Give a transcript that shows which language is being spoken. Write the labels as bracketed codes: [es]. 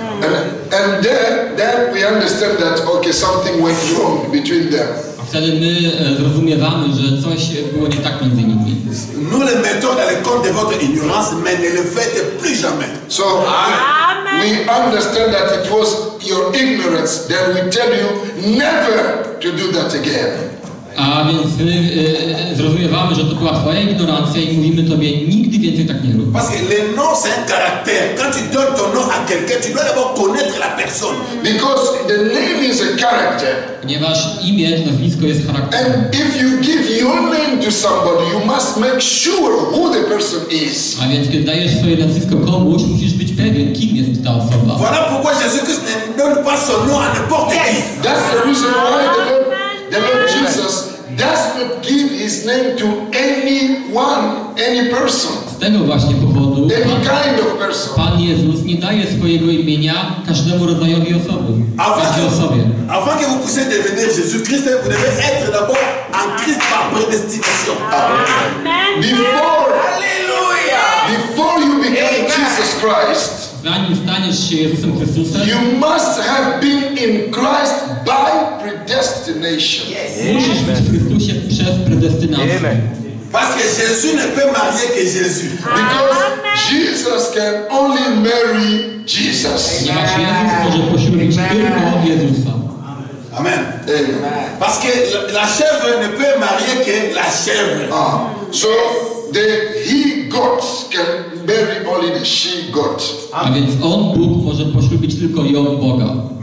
[en] And then we understand that okay, something went wrong between them. [pl] A wtedy my zrozumiewamy, że coś było nie tak między nimi. [fr] Nous le mettons dans le compte de votre ignorance, mais ne le faites plus jamais. [en] So, Amen. We understand that it was your ignorance, then we tell you never to do that again. [pl] A więc my zrozumiewamy, że to była twoja ignorancja i mówimy tobie nigdy więcej tak nie rób. [fr] Parce que le nom c'est un caractère. Quand tu donnes ton nom à quelqu'un, tu dois d'abord connaître la personne. [en] Because the name is a character. [pl] Ponieważ imię, nazwisko jest charakterem. [en] And if you give your name to somebody, you must make sure who the person is. [pl] A więc kiedy dajesz swoje nazwisko komuś, musisz być pewien, kim jest ta osoba. [fr] Voilà pourquoi Jésus-Christ ne donne pas son nom à n'importe qui. [en] That's the reason why the Lord Jesus does not give his name to anyone, any person. [pl] Z tego właśnie powodu Pan Jezus nie daje swojego imienia każdemu rodzajowi osoby. [fr] Avant que vous puissiez devenir Jésus-Christ, vous devez être d'abord en Christ par prédestination. [en] Before you become Jesus Christ, [pl] zanim staniesz się Jezusem Chrystusem, [en] you must have been in Christ by predestination. [pl] Musisz być w Chrystusie przez predestynację. Amen. [fr] Parce que Jésus ne peut marier que Jésus. [en] Because Jesus can only marry Jesus. [pl] Ponieważ Jezus może poślubić tylko Jezusa. Amen. [fr] Parce que la chèvre ne peut marier que la chèvre. [en] So the he goat can marry only the she goat. [pl] A więc on Bóg może poślubić tylko ją Boga.